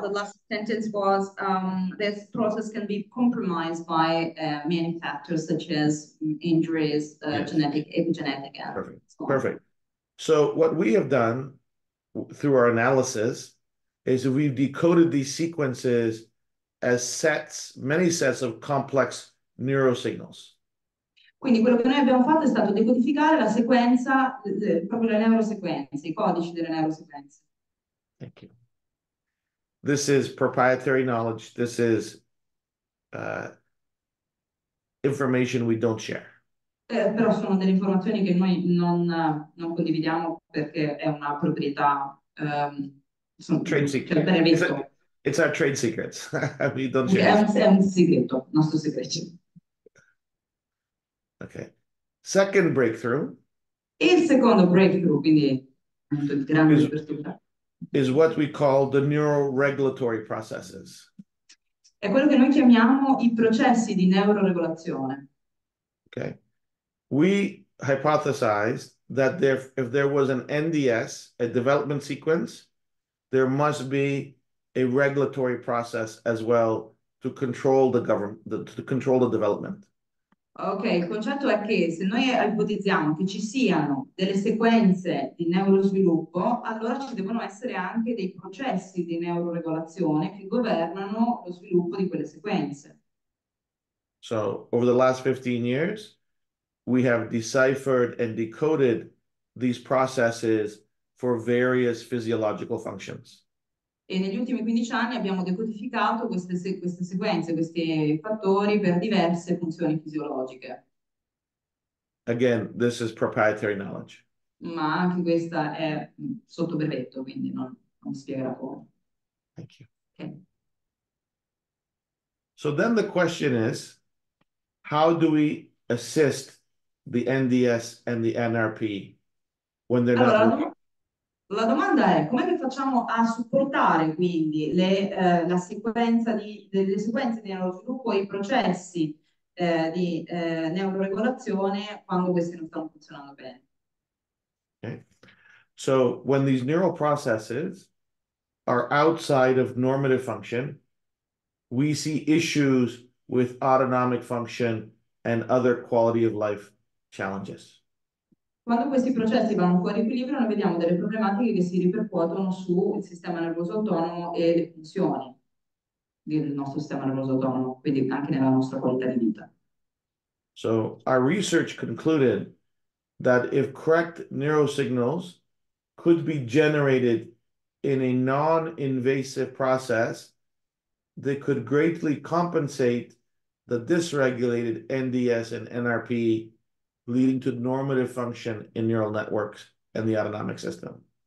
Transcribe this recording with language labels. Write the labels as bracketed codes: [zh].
[en] The last sentence was, this process can be compromised by many factors such as injuries, genetic, epigenetic. Perfect. So what we have done through our analysis is that we've decoded these sequences as sets, many sets of complex neurosignals. [it] Quindi quello che noi abbiamo fatto è stato decodificare la sequenza, proprio le neurosequenze, i codici delle neurosequenze. [en] Thank you. This is proprietary knowledge. This is information we don't share. [it] Però sono delle informazioni che noi non condividiamo perché è una proprietà. [en] Trade secret. Cioè, it's our trade secrets. We don't share. [it] Okay, è un segreto, il nostro segreto. [en] Okay. Second breakthrough. [it] Il secondo breakthrough, quindi il grande apertura. [en] Is what we call the neuroregulatory processes. [it] È quello che noi chiamiamo i processi di neuroregolazione. [en] Okay. We hypothesized that there, if there was an NDS, a development sequence, there must be a regulatory process as well to control the government, to control the development. [it] Ok, il concetto è che se noi ipotizziamo che ci siano delle sequenze di neurosviluppo, allora ci devono essere anche dei processi di neuroregolazione che governano lo sviluppo di quelle sequenze. [en] So, over the last 15 years, we have deciphered and decoded these processes for various physiological functions. [it] E negli ultimi 15 anni abbiamo decodificato queste sequenze, questi fattori per diverse funzioni fisiologiche. [en] Again, this is proprietary knowledge. [it] Ma anche questa è sotto brevetto, quindi non spiegherà poco. [en] Thank you. Okay. So then the question is, how do we assist the NDS and the NRP when they're [it] allora, [en] not... [it] La domanda è, com'è che facciamo a supportare quindi le sequenze di neurosviluppo e i processi di neuroregolazione quando questi non stanno funzionando bene? [en] Okay. So, when these neural processes are outside of normative function, we see issues with autonomic function and other quality of life challenges. [it] Quando questi processi vanno fuori equilibrio, noi vediamo delle problematiche che si ripercuotono sul sistema nervoso autonomo e le funzioni del nostro sistema nervoso autonomo, quindi anche nella nostra qualità di vita. [en] So our research concluded that if correct neurosignals could be generated in a non-invasive process, they could greatly compensate the dysregulated NDS and NRP, leading to normative function in neural networks and the autonomic system.